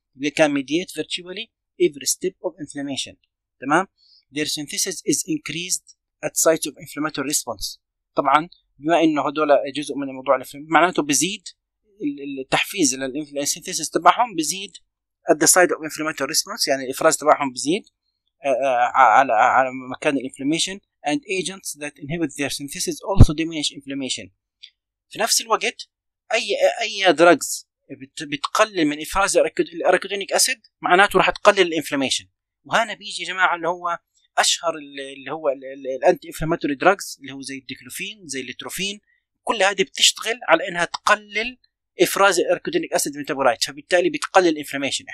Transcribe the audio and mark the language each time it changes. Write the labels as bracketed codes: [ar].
[en] They can mediate virtually every step of inflammation. تمام؟ Their synthesis is increased at sites of inflammatory response. [ar] طبعا بما انه هدول جزء من موضوع الانفلاميشن معناته بزيد التحفيز للسينثيسيس تبعهم بزيد [en] at the site of inflammatory response، [ar] يعني الافراز تبعهم بزيد على مكان الانفلاميشن. [en] And agents that inhibit their synthesis also diminish inflammation. [ar] في نفس الوقت اي drugs بتقلل من افراز الاركودونيك اسيد معناته راح تقلل الانفلاميشن، وهنا بيجي يا جماعه اللي هو اشهر اللي هو الانتي انفلاماتوري دراجز اللي هو زي الديكلوفين زي الليتروفين، كل هذه بتشتغل على انها تقلل افراز الاركودونيك اسيد ميتابولايت، فبالتالي بتقلل الانفلاميشن.